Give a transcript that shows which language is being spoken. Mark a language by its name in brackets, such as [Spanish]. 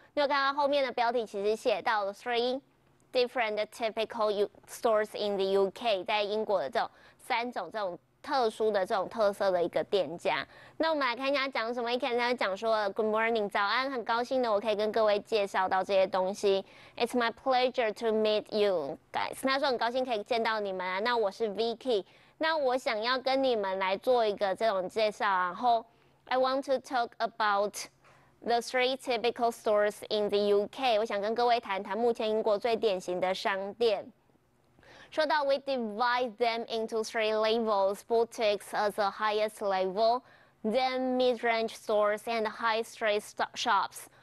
[Chinese] 你有看到后面的标题，其实写到了 [English] three different typical stores in the UK， [Chinese] 在英国的这种三种这种特殊的这种特色的一个店家。那我们来看一下讲什么。一开始讲说 [English] Good morning， [Chinese] 早安，很高兴的我可以跟各位介绍到这些东西。 [English] It's my pleasure to meet you guys。 [Chinese] 他说很高兴可以见到你们啊。那我是 Vicky， 那我想要跟你们来做一个这种介绍。然后 [English] I want to talk about the three typical stores in the UK。 [Chinese] 我想跟各位谈谈目前英国最典型的商店。说到 [English] we divide them into three levels, boutiques as the highest level, then mid-range stores and high street shops.